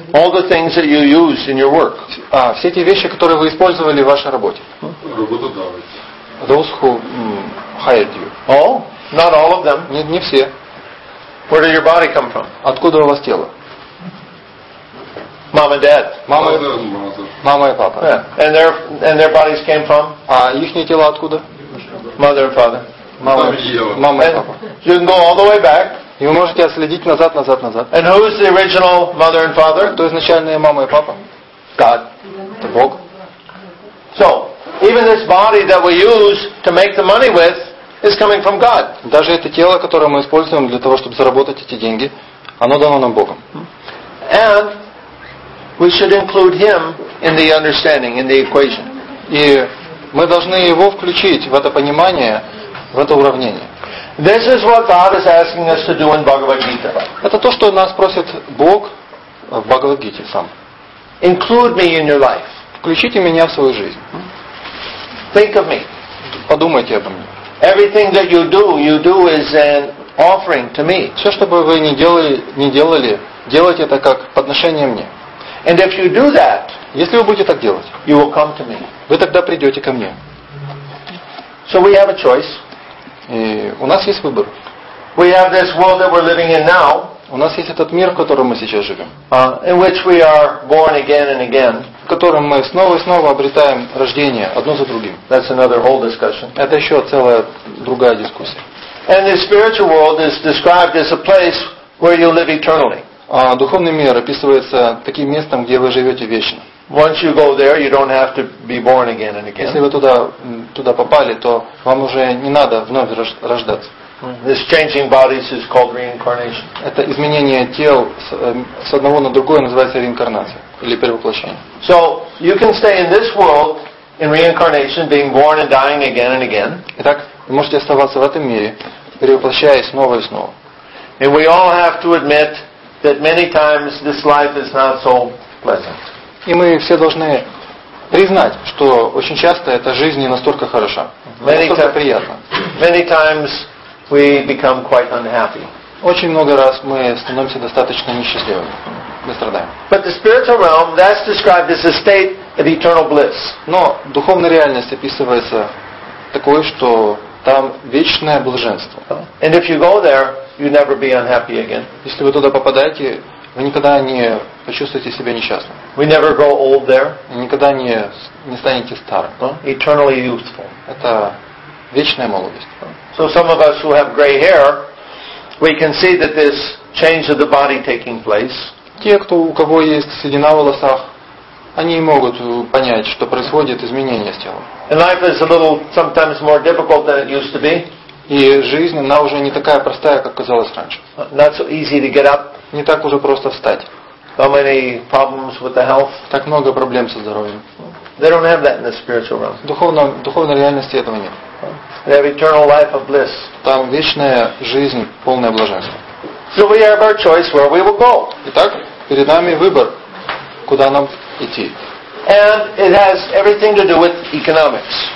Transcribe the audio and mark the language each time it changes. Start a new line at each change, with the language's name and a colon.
English: All the things that you use in your work.
Russian: А все эти вещи, которые вы использовали в вашей работе? Работодавец.
English: Those who hired you. All? Not all of them.
Russian: Не все.
English: Where did your body come from?
Russian: Откуда у вас тело?
English: Mom and dad.
Russian: Мама и папа.
English: Yeah. And their bodies came from?
Russian: А ихнее тело откуда?
English: Mother and father.
Russian: Мама и папа.
English: You can go all the way back.
Russian: И вы можете отследить назад, назад, назад.
English: And who is the original mother and father?
Russian: Кто изначальная мама и папа?
English: God.
Russian: Это Бог.
English: So, even this body that we use to make the money with is coming from God.
Russian: Даже это тело, которое мы используем для того, чтобы заработать эти деньги, оно дано нам Богом.
English: And we should include him in the understanding, in the equation.
Russian: И мы должны его включить в это понимание, в это уравнение.
English: This is what God is asking us to do in Bhagavad Gita.
Russian: Это то, что нас просит Бог в Бхагавад Гите сам.
English: Include me in your life.
Russian: Включите меня в свою жизнь.
English: Think of me.
Russian: Подумайте обо мне.
English: Everything that you do is an offering to me.
Russian: Все, что бы вы не делали, делайте это как подношение мне.
English: And if you do that,
Russian: если вы будете так делать,
English: you will come to me.
Russian: Вы тогда придете ко мне.
English: So we have a choice.
Russian: И у нас есть выбор.
English: We have this world that we're living in now.
Russian: У нас есть этот мир, в котором мы сейчас живем.
English: In which we are born again and again.
Russian: В котором мы снова и снова обретаем рождение, одно за другим.
English: That's another whole discussion.
Russian: Это еще целая другая дискуссия.
English: And the spiritual world is described as a place where you live eternally.
Russian: А духовный мир описывается таким местом, где вы живете вечно.
English: Once you go there, you don't have to be born again and again.
Russian: Если вы туда попали, то вам уже не надо вновь рождаться.
English: This changing bodies is called reincarnation.
Russian: Это изменение тел с одного на другое называется реинкарнация или перевоплощение.
English: So you can stay in this world in reincarnation, being born and dying again and again.
Russian: Итак, вы можете оставаться в этом мире, перевоплощаясь снова и снова.
English: And we all have to admit that many times this life is not so pleasant.
Russian: И мы все должны признать, что очень часто эта жизнь не настолько хороша, не настолько приятна.
English: Many times we become quite unhappy.
Russian: Очень много раз мы становимся достаточно несчастливыми. Мы страдаем.
English: But the spiritual realm, that's described as a state of eternal bliss.
Russian: Но духовная реальность описывается такой, что там вечное блаженство.
English: And if you go there, you never be unhappy again.
Russian: Если вы туда попадаете, вы никогда не почувствуете себя несчастным.
English: We never grow old there.
Russian: И никогда не станете старым.
English: Eternally youthful.
Russian: Это вечная молодость.
English: So some of us who have gray hair, we can see that this change of the body taking place.
Russian: Те, кто у кого есть седина в волосах, они могут понять, что происходит изменение с телом.
English: And life is a little sometimes more difficult than it used to be.
Russian: И жизнь, она уже не такая простая, как казалось раньше.
English: Not so easy to get up.
Russian: Не так уже просто встать.
English: So many problems with the health.
Russian: Так много проблем со здоровьем.
English: They don't have that in the spiritual realm.
Russian: Духовной реальности этого нет.
English: They have eternal life of bliss.
Russian: Там вечная жизнь, полное блаженство.
English: So we have our choice where we will go.
Russian: Итак, перед нами выбор, куда нам идти.
English: And it has everything to do with economics.